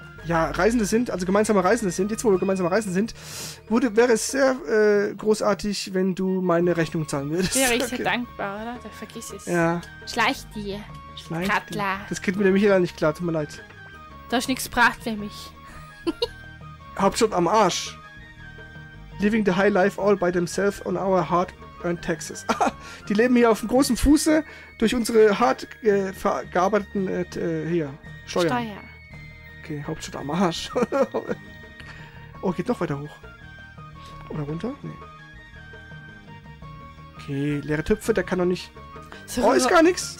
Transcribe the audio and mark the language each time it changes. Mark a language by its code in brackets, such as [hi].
[de] ja, Reisende sind, also gemeinsame Reisende sind, jetzt wo wir gemeinsame Reisende sind, wäre es sehr großartig, wenn du meine Rechnung zahlen würdest. Wäre ich sehr dankbar, oder? Da vergiss es. Ja. Schleich dir. Schleich dir. Das kriegt mir der Michael nicht klar, tut mir leid. Da ist nichts gebracht für mich. Hauptstadt am Arsch. [en] Living the high life all by themselves on our hard-earned taxes. [de] Die leben hier auf dem großen Fuße durch unsere hart vergearbeiteten Steuern. Steuer. Okay, Hauptstadt am Arsch. Oh, geht noch weiter hoch. Oder runter? Nee. Okay, leere Töpfe, der kann doch nicht... ist gar nichts.